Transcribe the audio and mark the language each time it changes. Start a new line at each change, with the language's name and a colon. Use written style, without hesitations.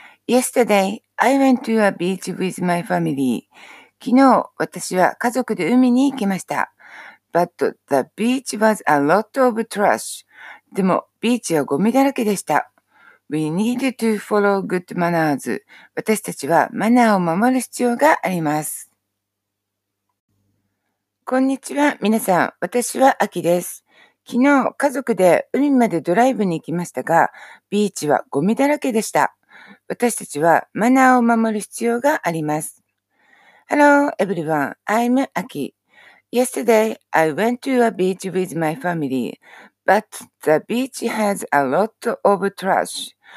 English: Yesterday, I went to a beach with my family.
Japanese: 昨日、私は家族で海に行きました。
English: But the beach was a lot of trash.
Japanese: でも、ビーチはゴミだらけでした。
English: We need to follow good manners.
Japanese: 私たちはマナーを守る必要があります。こんにちは、皆さん。私は Aki です。昨日、家族で海までドライブに行きましたが、ビーチはゴミだらけでした。私たちはマナーを守る必要があります。
English: Hello, everyone. I'm Aki. Yesterday, I went to a beach with my family, but the beach has a lot of trash.